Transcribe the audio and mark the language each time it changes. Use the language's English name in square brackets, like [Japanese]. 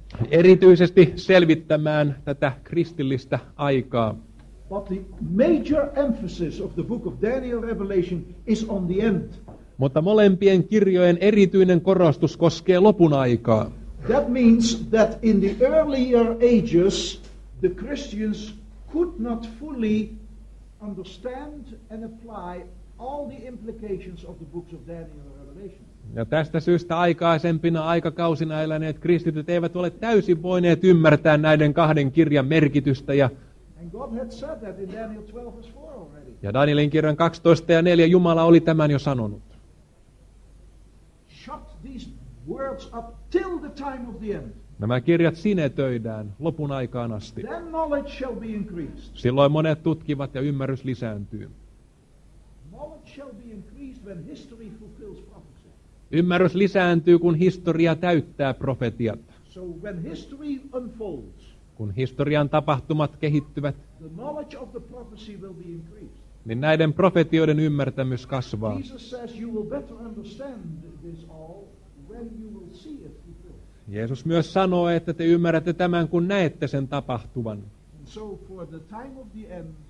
[Finnish] Erityisesti selvittämään tätä kristillistä aikaa. [English] But the major emphasis of the book of Daniel Revelation is on the end. [Finnish] Mutta molempien kirjojen erityinen korostus koskee lopun aikaa. [English] That means that in the earlier ages the Christians could not fully understand and apply all the implications of the books of Daniel and Revelation. [Finnish] Ja tästä syystä aikaisempina aikakausina eläneet kristityt eivät ole täysin voineet ymmärtää näiden kahden kirjan merkitystä ja [English] God had said that in Daniel 12 as 4 already. [Finnish] Ja Danielin kirjan 12 ja 4 Jumala oli tämän jo sanonut. [English] Shut these words up till the time of the end. [Finnish] Nämä kirjat sinetöidään lopun aikaan asti. [English] Then knowledge shall be increased. [Finnish] Silloin monet tutkivat ja ymmärrys lisääntyy. [English] Knowledge shall be increased when history fulfills prophecy. [Finnish] Ymmärrys lisääntyy, kun historia täyttää profetiat. [English] So when history unfolds, [Finnish] kun historian tapahtumat kehittyvät, [English] the knowledge of the prophecy will be increased. [Finnish] Niin näiden profetioiden ymmärtämys kasvaa. [English] Jesus says you will better understand this all when you will see it. [Finnish] Jeesus myös sanoo, että te ymmärrätte tämän, kun näette sen tapahtuvan. [English] So for the time of the end,